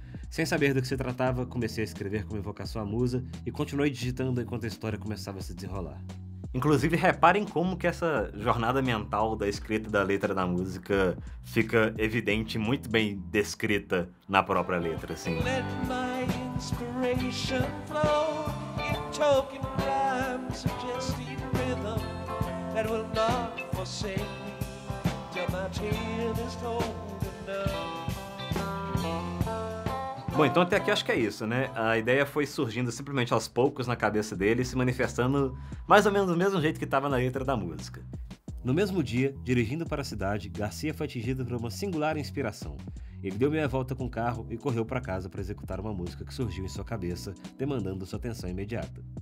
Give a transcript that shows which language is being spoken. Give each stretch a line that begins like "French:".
Portuguese: Sem saber do que se tratava, comecei a escrever como invocação à musa e continuei digitando enquanto a história começava a se desenrolar. Inclusive, reparem como que essa jornada mental da escrita da letra da música fica evidente, muito bem descrita na própria letra, assim.
English: Let my inspiration flow in token rhyme, suggesting rhythm that will not forsake me till my tale is told enough.
Portuguese: Bom, então até aqui acho que é isso, né? A ideia foi surgindo simplesmente aos poucos na cabeça dele e se manifestando mais ou menos do mesmo jeito que estava na letra da música. No mesmo dia, dirigindo para a cidade, Garcia foi atingido por uma singular inspiração. Ele deu meia volta com o carro e correu para casa para executar uma música que surgiu em sua cabeça, demandando sua atenção imediata.